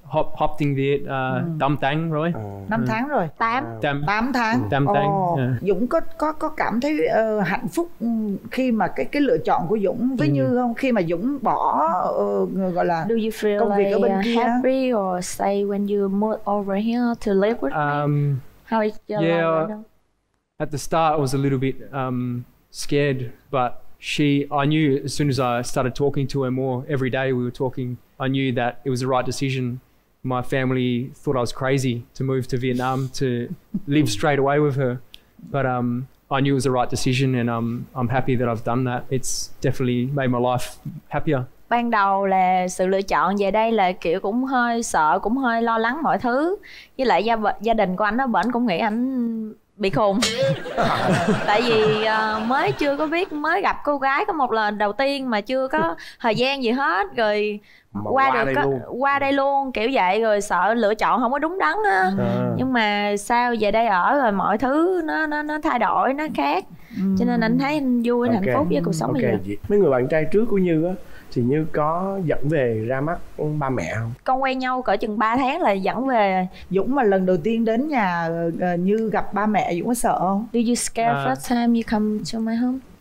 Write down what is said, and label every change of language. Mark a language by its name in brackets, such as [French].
[Vietnamese] Hop tiếng Việt, tám tháng rồi. Tám tháng. Dũng có cảm thấy hạnh phúc khi mà cái lựa chọn của Dũng với Như không? Khi mà Dũng bỏ gọi là [English] do you feel [Vietnamese] công việc [English] like [Vietnamese] ở bên kia. [English] Happy or say when you move over here to live with me? How is your life? At the start, I was a little bit scared, but I knew as soon as I started talking to her more every day, we were talking. I knew that it was the right decision. My family thought I was crazy to move to Vietnam to live straight away with her, but I knew it was the right decision, and I'm happy that I've done that. It's definitely made my life happier. [Vietnamese] Ban đầu là sự lựa chọn về đây là kiểu cũng hơi sợ, cũng hơi lo lắng mọi thứ, với lại gia đình của anh ở bển cũng nghĩ anh bị khùng. Tại vì mới chưa có biết, mới gặp cô gái có một lần đầu tiên mà chưa có thời gian gì hết, rồi qua đây luôn kiểu vậy, rồi sợ lựa chọn không có đúng đắn á. Nhưng mà sao về đây ở rồi mọi thứ nó thay đổi, nó khác. Cho nên anh thấy anh vui, anh hạnh phúc với cuộc sống mình. Mấy người bạn trai trước của Như á thì Như có dẫn về ra mắt ba mẹ không? Con quen nhau cỡ chừng 3 tháng là dẫn về. Dũng mà lần đầu tiên đến nhà Như gặp ba mẹ, Dũng có sợ không? [English] Do you scare first time you come to my home?